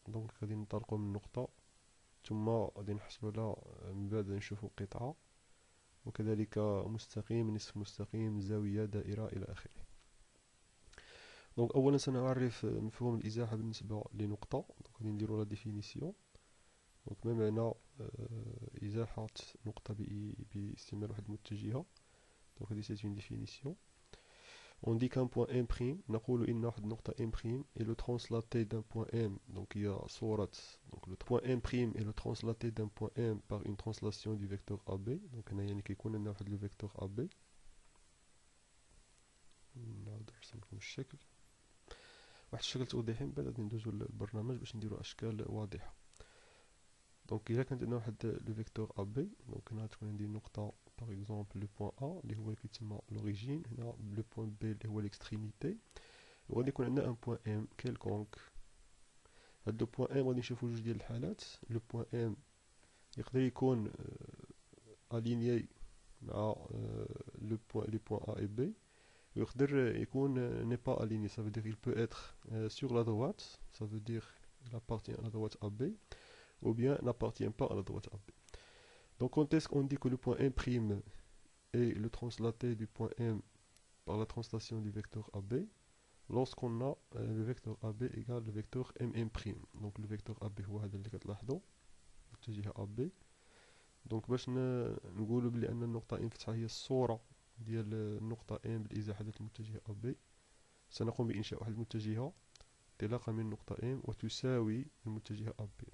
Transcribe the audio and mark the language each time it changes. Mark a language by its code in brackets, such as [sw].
[ar] دونك غادي نطرقوا من نقطة، ثم غادي نحسبوا لها، من بعد نشوفوا قطعه، وكذلك مستقيم، نصف مستقيم، زاويه، دائره، الى اخره. دونك اولا سنعرف مفهوم الازاحه بالنسبه لنقطه. دونك غادي نديروا لا ديفينيسيون. دونك ما معنى ازاحه نقطه باستعمال واحد المتجهه؟ دونك هذه سيت اون ديفينيسيون. [fr] On dit qu'un point M', [ar] نقول إن واحد النقطة [fr] M' est le translaté d'un point M. Donc il y a صورة. Donc le point M' est le translaté d'un point M par une translation du vecteur AB. Donc on a [ar] يعني كيكون عندنا واحد لو فيكتور AB. نعاود نرسمكم الشكل. واحد الشكل توضيحي من بعد غادي ندوزو للبرنامج باش نديرو أشكال واضحة. دونك إذا كانت عندنا واحد لو فيكتور AB، دونك هنا تكون عندي النقطة [fr] par exemple le point A [ar] اللي هو اللي كيتسمى [fr] l'origine، [ar] هنا [fr] le point B [ar] اللي هو [fr] l'extrémité، [ar] وغادي يكون عندنا [fr] un point M quelconque. [ar] هاد لو point M غادي نشوفو جوج ديال الحالات. [fr] لو point M [ar] يقدر يكون [fr] aligné مع le point les points A et B، [ar] ويقدر يكون [fr] n'est pas aligné، ça veut dire il peut être sur la droite، ça veut dire il appartient à la droite AB، ou bien n'appartient pas à la droite AB. Donc quand est-ce qu'on dit que le point M' est le translaté du point M par la translation du vecteur AB? Lorsqu'on a le vecteur AB égale le vecteur MM'. Donc le vecteur AB [ar] هو هذا اللي كتلاحظوا، متجه AB. Donc باش نقولوا بلي ان النقطة M فتحة هي الصورة ديال النقطة M بالإزاحة ديال المتجه AB، سنقوم بإنشاء واحد المتجهة انطلاقا من النقطة M وتساوي المتجه AB.